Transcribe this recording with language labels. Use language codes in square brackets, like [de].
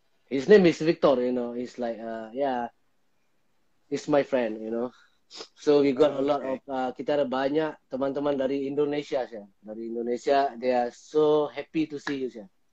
[en] His name is Victor, you know, he's like, he's my friend, you know. So we got a lot of, [id] kita ada banyak teman-teman dari Indonesia, Syah. Dari Indonesia, [en] they are so happy to see you, Syah.